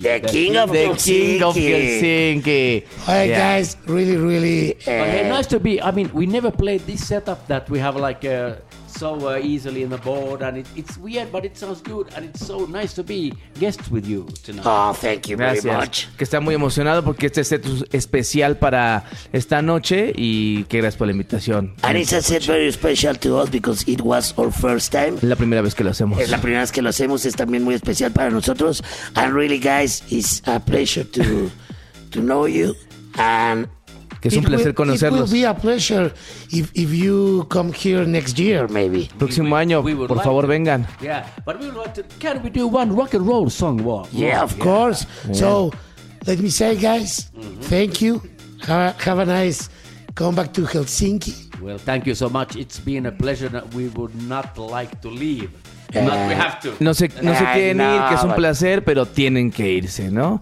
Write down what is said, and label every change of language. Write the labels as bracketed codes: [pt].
[en] The king of Helsinki. Hey, yeah. Guys, really, really. Nice to be. I mean, we never played this setup that we have like easily in the board, and it's weird, but it sounds good, and it's so nice to be guests with you tonight. Oh, thank you very much. [es] Que está muy emocionado porque este set es especial para esta noche, y que gracias por la invitación. [en] And it's a set very special to us because it was our first time. [es] La primera vez que lo hacemos. Es la primera vez que lo hacemos, es también muy especial para nosotros. [en] And really, guys, it's a pleasure to know you. And [es] que es un placer conocerlos. [en] It will be a pleasure if you come here next year, maybe. [es] Próximo año, por favor, vengan. [en] Yeah, but we would like to. Can we do one rock and roll song? Yeah, of course. Yeah. So, let me say, guys, thank you. Have a nice come back to Helsinki. Well, thank you so much. It's been a pleasure that we would not like to leave. But we have to. [es] No se quieren ir, que es un placer, pero tienen que irse, ¿no?